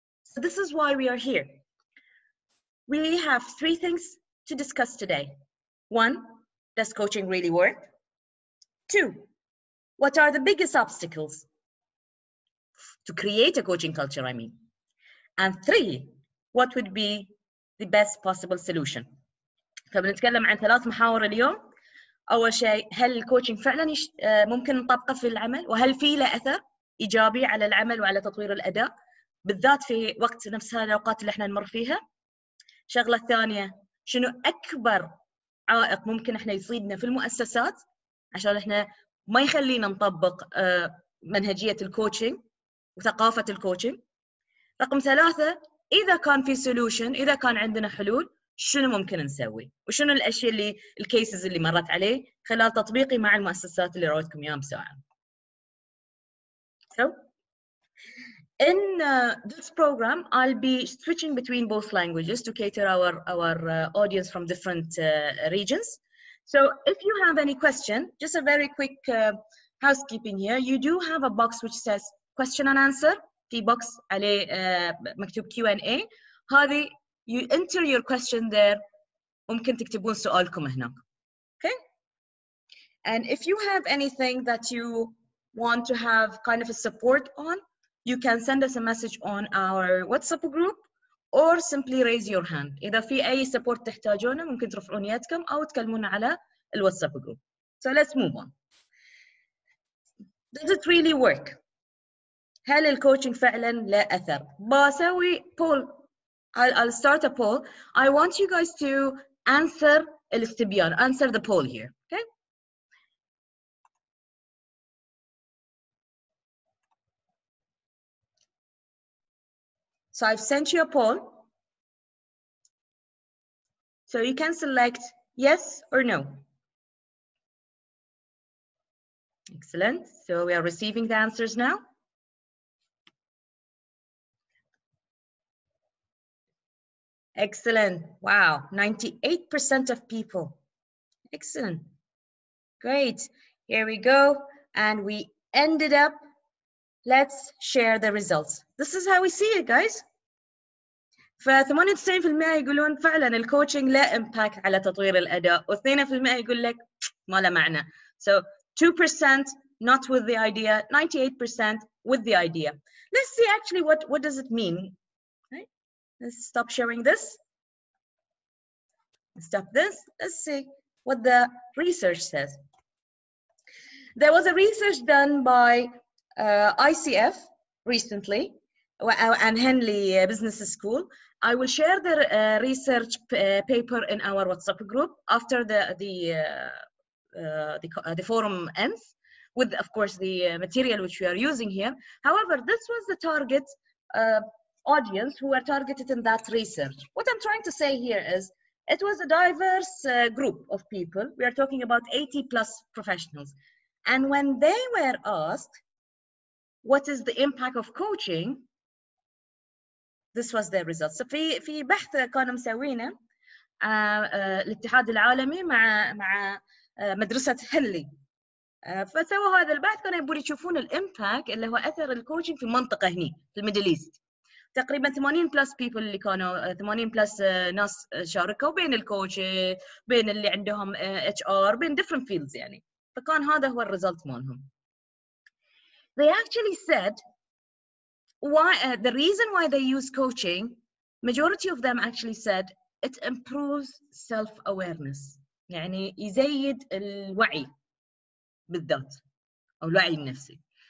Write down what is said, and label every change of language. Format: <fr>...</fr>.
<en>So this is why we are here. We have three things to discuss today. One, does coaching really work? Two, what are the biggest obstacles to create a coaching culture, I mean? And three, what would be the best possible solution?</en> <ar>فبنتكلم عن ثلاث محاور اليوم. أول شيء, هل الكوتشنج فعلا ممكن نطبقه في العمل؟ وهل فيه له أثر إيجابي على العمل وعلى تطوير الأداء؟ بالذات في وقت نفس هذه الأوقات اللي احنا نمر فيها. شغلة ثانية, شنو أكبر عائق ممكن احنا يصيدنا في المؤسسات عشان احنا ما يخلينا نطبق منهجية الكوتشنج وثقافة الكوتشنج؟ رقم ثلاثة, إذا كان في سولوشن, إذا كان عندنا حلول, شنو ممكن نسوي وشنو الأشياء اللي الكيسز اللي مرت عليه خلال تطبيقي مع المؤسسات اللي رويتكم يوم بسرعة.</ar> <en>So in this program I'll be switching between both languages to cater our audience from different regions. So if you have any question, just a very quick housekeeping here, you do have a box which says question and answer. في box</en> <ar>عليه مكتوب</ar> <en>Q&A.</en> <ar>هذه</ar> <en>you enter your question there.</en> <ar>ممكن تكتبون سؤالكم هنا. Okay?</ar> <en>And if you have anything that you want to have kind of a support on, you can send us a message on our WhatsApp group or simply raise your hand.</en> <ar>إذا في أي support تحتاجونه ممكن ترفعون يدكم أو تكلمونا على الواتساب group.</ar> <en>So let's move on. Does it really work?</en> <ar>هل الكوتشنج فعلا له أثر؟ بسوي poll.</ar> <en>I'll start a poll. I want you guys to answer الاستبيان, answer the poll here, okay? So I've sent you a poll. So you can select yes or no. Excellent. So we are receiving the answers now. Excellent. Wow. 98% of people. Excellent. Great. Here we go. And we ended up. Let's share the results. This is how we see it, guys.</en> <ar>ف98% يقولون فعلا الكوتشنج له امباكت على تطوير الاداء, و2% يقول لك ما له معنى.</ar> <en>So 2% not with the idea, 98% with the idea. Let's see actually what does it mean. Let's stop sharing this. Stop this. Let's see what the research says. There was a research done by ICF recently and Henley Business School. I will share the research paper in our WhatsApp group after the forum ends, with of course the material which we are using here. However, this was the target audience who were targeted in that research. What I'm trying to say here is it was a diverse group of people. We are talking about 80 plus professionals. And when they were asked, what is the impact of coaching? This was their result.</en> <ar>So في بحث كانوا مسوينه الاتحاد العالمي مع مدرسة هلي. فسووا هذا البحث كانوا يبون يشوفون الامباكت اللي هو اثر الكوتشنج في منطقة هنا في الميدل ايست. تقريبا 80 بلس بيبل اللي كانوا 80 بلس ناس شاركوا بين الكوتش بين اللي عندهم اتش ار بين ديفرنت فيلدز يعني. فكان هذا هو الريزلت مالهم.</ar> <en>They actually said why the reason why they use coaching, majority of them actually said it improves self-awareness.</en> <ar>يعني يزيد الوعي بالذات أو الوعي النفسي.</ar>